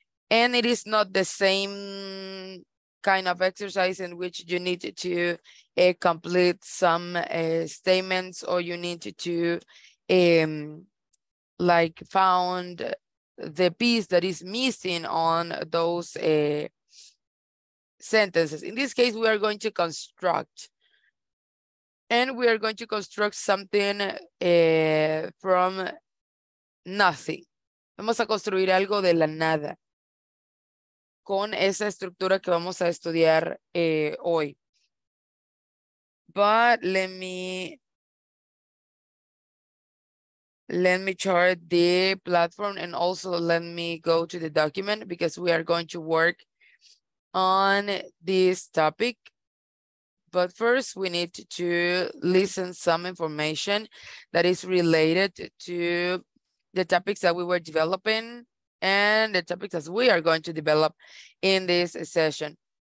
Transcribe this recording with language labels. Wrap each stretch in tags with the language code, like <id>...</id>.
<en>And it is not the same kind of exercise in which you need to complete some statements, or you need to like found the piece that is missing on those sentences. In this case, we are going to construct. And we are going to construct something from nothing.</en> <es>Vamos a construir algo de la nada con esa estructura que vamos a estudiar hoy.</es> <en>But let me chart the platform, and also let me go to the document, because we are going to work on this topic. But first we need to listen some information that is related to the topics that we were developing and the topics that we are going to develop in this session.</en>